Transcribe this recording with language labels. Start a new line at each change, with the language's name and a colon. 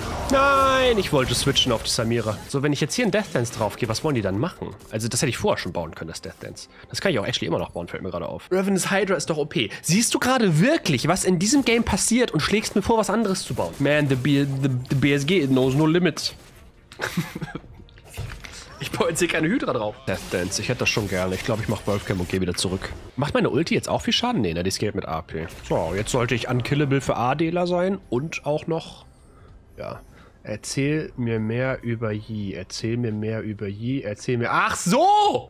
German: Nein, ich wollte switchen auf die Samira. So, wenn ich jetzt hier in Death Dance draufgehe, was wollen die dann machen? Also, das hätte ich vorher schon bauen können, das Death Dance. Das kann ich auch actually immer noch bauen, fällt mir gerade auf. Ravenous Hydra ist doch OP. Siehst du gerade wirklich, was in diesem Game passiert und schlägst mir vor, was anderes zu bauen?
English: Man, the BSG knows no limits.
German: Ich baue jetzt hier keine Hydra drauf. Death Dance, ich hätte das schon gerne. Ich glaube, ich mache Wolfcam und gehe wieder zurück. Macht meine Ulti jetzt auch viel Schaden? Nee, ne, die scaled mit AP. So, jetzt sollte ich unkillable für ADler sein und auch noch... Ja... Erzähl mir mehr über Yi. Erzähl mir mehr über Yi. Erzähl mir... Ach so!